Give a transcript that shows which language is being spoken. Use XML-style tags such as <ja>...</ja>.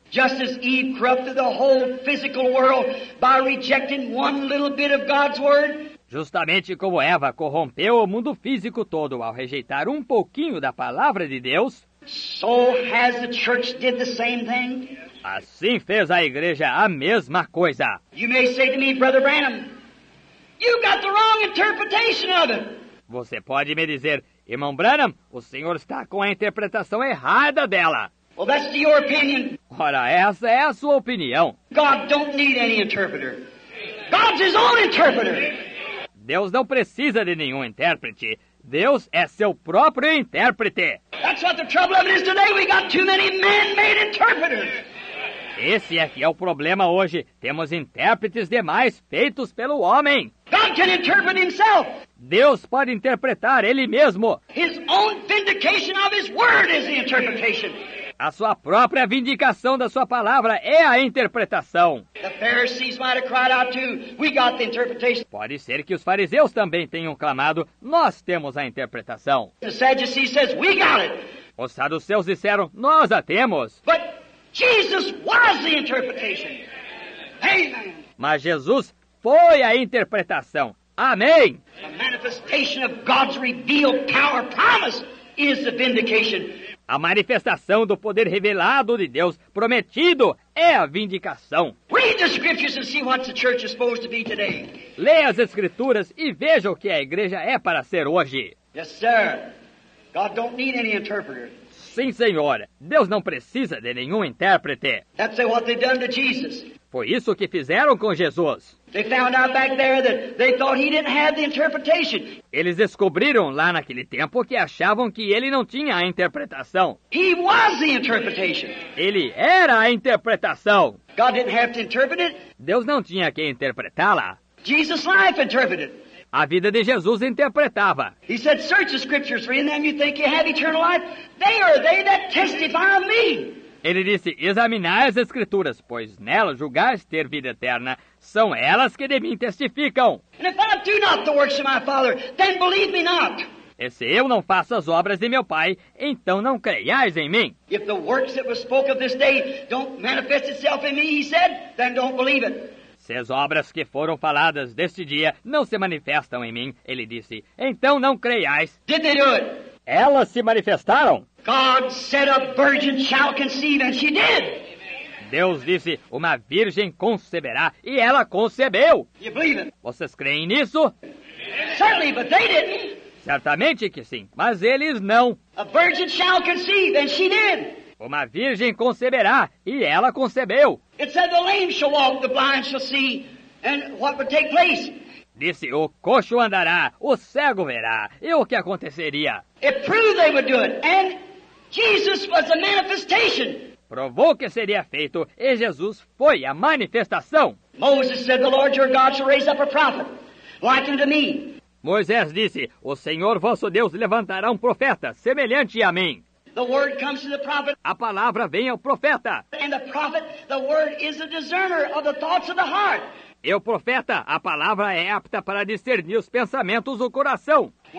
<en>Just as Eve corrupted the whole physical world by rejecting one little bit of God's word.</en> <pt>Justamente como Eva corrompeu o mundo físico todo ao rejeitar um pouquinho da palavra de Deus.</pt> <en>So has the church did the same thing.</en> <pt>Assim fez a igreja a mesma coisa.</pt> <en>You may say to me, Brother Branham, you got the wrong interpretation of it.</en> <pt>Você pode me dizer, irmão Branham, o senhor está com a interpretação errada dela.</pt> <en>Well, that's your opinion.</en> <pt>Ora, essa é a sua opinião.</pt> <en>God don't need any interpreter. God's his own interpreter.</en> <pt>Deus não precisa de nenhum intérprete. Deus é seu próprio intérprete.</pt> <en>That's what the trouble of it is today. We got too many man-made interpreters.</en> <pt>Esse é que é o problema hoje. Temos intérpretes demais feitos pelo homem.</pt> <en>God can interpret himself.</en> <pt>Deus pode interpretar ele mesmo.</pt> <en>His own vindication of his word is the interpretation.</en> <pt>A sua própria vindicação da sua palavra é a interpretação.</pt> <en>The Pharisees might have cried out too. We got the interpretation.</en> <pt>Pode ser que os fariseus também tenham clamado, nós temos a interpretação.</pt> <en>The Sadducees says, we got it.</en> <pt>Os saduceus disseram, nós a temos.</pt> <en>But Jesus was the interpretation. Amen.</en> <pt>Mas Jesus foi a interpretação. Amém.</pt> <en>The manifestation of God's revealed power promise is the vindication.</en> <pt>A manifestação do poder revelado de Deus prometido é a vindicação.</pt> <en>Read the scriptures and see what the church is supposed to be today.</en> <pt>Leia as escrituras e veja o que a igreja é para ser hoje.</pt> <en>Yes, sir. God don't need any interpreter.</en> <pt>Sim, senhor. Deus não precisa de nenhum intérprete.</pt> <en>That's what they've done to Jesus.</en> <pt>Foi isso que fizeram com Jesus.</pt> <en>They found out back there that they thought he didn't have the interpretation.</en> <pt>Eles descobriram lá naquele tempo que achavam que ele não tinha a interpretação.</pt> <en>He was the interpretation.</en> <pt>Ele era a interpretação.</pt> <en>God didn't have to interpret it.</en> <pt>Deus não tinha que interpretá-la.</pt> <en>Jesus' life interpreted.</en> <pt>A vida de Jesus interpretava.</pt> <en>He said, "Search the scriptures, for in them you think you have eternal life. They are they that testify of me."</en> <pt>Ele disse, examinai as escrituras, pois nelas julgais ter vida eterna. São elas que de mim testificam.</pt> <en>And if I do not the works of my Father, then believe me not.</en> <pt>E se eu não faço as obras de meu Pai, então não creiais em mim.</pt> <en>If the works that were spoken of this day don't manifest itself in me, he said, then don't believe it.</en> <pt>Se as obras que foram faladas deste dia não se manifestam em mim, ele disse, então não creiais.</pt> <en>Did they do it?</en> <pt>Elas se manifestaram.</pt> <en>God said a virgin shall conceive, and she did.</en> <pt>Deus disse, uma virgem conceberá, e ela concebeu.</pt> <en>You believe it?</en> <pt>Vocês creem nisso?</pt> <en>Certainly, but they didn't.</en> <pt>Certamente que sim, mas eles não.</pt> <en>A virgin shall conceive, and she did.</en> <pt>Uma virgem conceberá, e ela concebeu.</pt> <en>It said the lame shall walk, the blind shall see, and what would take place?</en> <pt>Disse, o coxo andará, o cego verá, e o que aconteceria?</pt> <en>It proved they would do it, and Jesus was a manifestation.</en> <pt>Provou que seria feito, e Jesus foi a manifestação.</pt> <en>Moses said, the Lord your God shall raise up a prophet, like unto me.</en> <pt>Moisés disse, o Senhor vosso Deus levantará um profeta, semelhante a mim.</pt> <en>The word comes to the prophet.</en> <pt>A palavra vem ao profeta.</pt> <en>And the prophet, the word is a discerner of the thoughts of the heart.</en> <pt>E o profeta, a palavra é apta para discernir os pensamentos do coração.</pt>